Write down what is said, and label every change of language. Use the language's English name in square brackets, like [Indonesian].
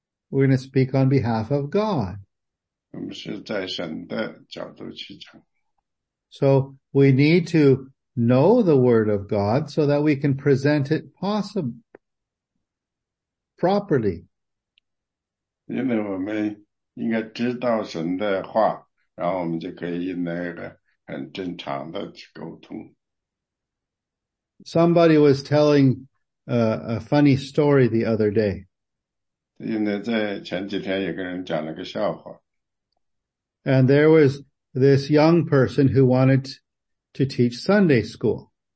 [English] We're going to speak on behalf of God. [Chinese] 我们是在神的角度去讲。 [English] So we need to know the word of God so that we can present it possible properly. [Chinese] 因为我们应该知道神的话，然后我们就可以那个很正常的去沟通。 [English] Somebody was telling a funny story the other day. [Chinese] 因为在前几天有个人讲了个笑话。 [English] And there was this young person who wanted to teach Sunday school.